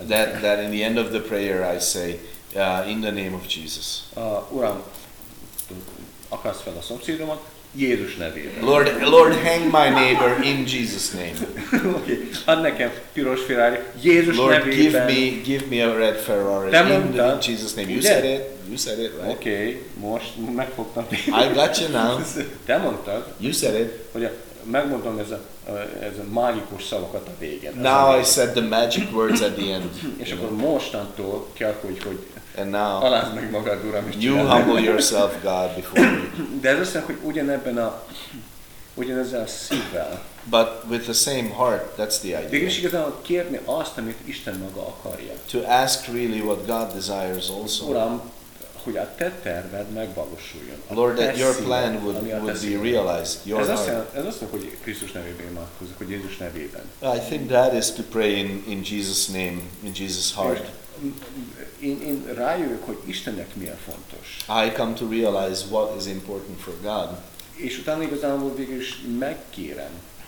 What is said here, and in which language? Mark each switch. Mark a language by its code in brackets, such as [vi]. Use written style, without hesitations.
[en] That in the end of the prayer I say, in the name of Jesus. [hu] Uram, akasz fel a szomszédomat Jézus nevében. [en] Lord, hang my neighbor in Jesus' name. Okay. [hu] Add nekem piros Ferrari Jézus [en] Lord, [hu] nevében. [en] Lord, give me a red Ferrari in Jesus' name. You said it, right? [hu] Okay, most megfogtam. [en] I got you now. [hu] Te mondtad. [en] You said it. [hu] Hogy megmondtam ez a mágikus szavakat a végén. [en] Now I said the magic words at the end. [hu] És akkor mostantól kell, hogy [en] and now, [hu] alázd meg magad, Uram, [en] és you humble yourself, God, before me. [hu] De ez azt mondja, hogy ugyanebben a, ugyanezzel a szívvel. [en] But with the same heart, that's the idea. [hu] Végülis igazán kérni azt, amit Isten maga akarja. [en] To ask really what God desires also. [hu] Uram, hogy a te terved megvalósuljon. [en] Lord, that your plan would be realized. Your [hu] ez azt mondja, hogy Krisztus nevében imádkozik, hogy Jézus nevében. [en] I think that is to pray in Jesus' name, in Jesus' heart. [hu] Én rájövök, hogy Istennek milyen fontos. [en] I come to realize what is important for God. [hu] És utána igazából végül is megkérem.